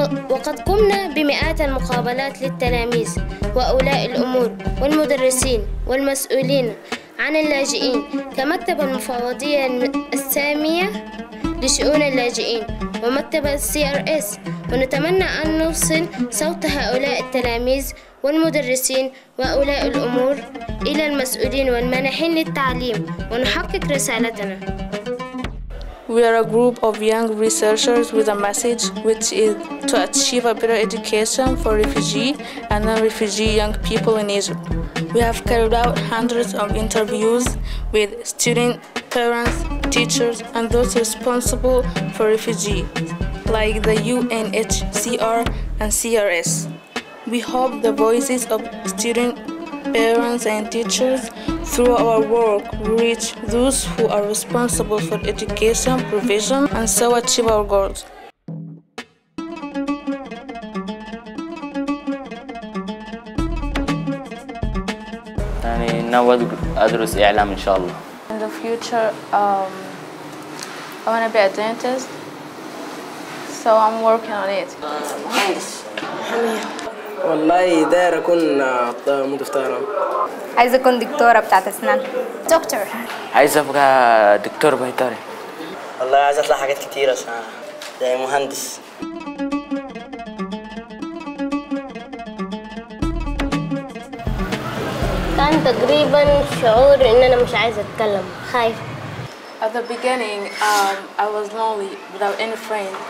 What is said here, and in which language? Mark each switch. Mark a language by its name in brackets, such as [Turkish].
[Arabic] وقد قمنا بمئات المقابلات للتلاميذ وأولاء الأمور والمدرسين والمسؤولين عن اللاجئين كمكتب المفوضية السامية لشؤون اللاجئين ومكتب CRS، ونتمنى أن نوصل صوت هؤلاء التلاميذ والمدرسين وأولاء الأمور إلى المسؤولين والمانحين للتعليم ونحقق رسالتنا. [English] We are a group of young researchers with a message, which is to achieve a better education for refugee and non-refugee young people in Egypt. We have carried out hundreds of interviews with students, parents, teachers, and those responsible for refugee, like the UNHCR and CRS. We hope the voices of students, parents, and teachers through our work reach those who are responsible for education provision and so achieve our goals. [Arabic] يعني ناوى أدرس إعلام إن شاء الله. [English] In the future, I want to be a dentist, so I'm working on it. [Arabic] والله داير أكون مضيف طيران. عايزة أكون دكتورة بتاعة أسنان. دكتور. عايزة أبقى دكتور بيطري. والله عايزة أطلع حاجات كتيرة زي مهندس. كان تقريباً شعور إن أنا مش عايزة أتكلم، خايف. [English] At the beginning, I was lonely without any friend.